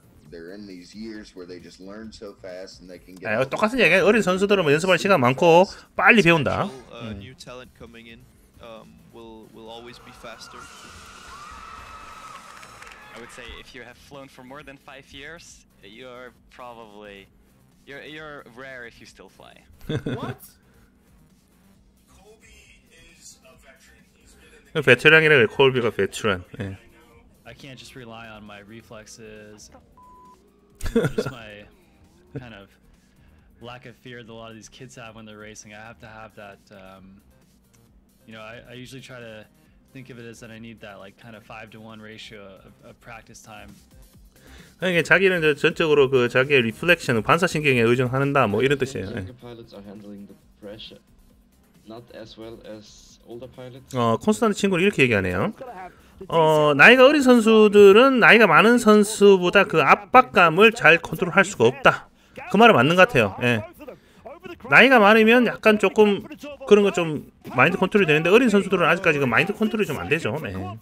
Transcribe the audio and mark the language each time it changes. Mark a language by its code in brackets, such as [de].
[en] They're in these years where they just learn so fast and they can get [ko] 똑같은 얘기야. 어린 선수들은 뭐 연습할 시간 많고 빨리 배운다. [en] New talent coming in will always be faster. I would say if you have flown for more than 5 years, you're probably you're rare if you still fly. What? Colby is a veteran. He's been in the [ko] 콜비가 베테랑. 예. [en] I can't just rely on my reflexes. Just my kind of lack of fear that a lot of these kids have when they're racing. I have to have that. You know, I usually try to think of it as that I need that like kind of 5-to-1 ratio of practice time. [ko] 이게 자기는 전적으로 그 자기의 리플렉션, 반사신경에 의존한다, 뭐 이런 뜻이에요. [en] Pilots are handling the pressure not as well as older pilots. [ko] 콘스탄트 친구는 이렇게 얘기하네요. 나이가 어린 선수들은 나이가 많은 선수보다 그 압박감을 잘 컨트롤할 수가 없다. 그 말은 맞는 것 같아요. 예. 나이가 많으면 약간 조금 그런 거 좀 마인드 컨트롤이 되는데 어린 선수들은 아직까지 그 마인드 컨트롤이 좀 안 되죠. 예.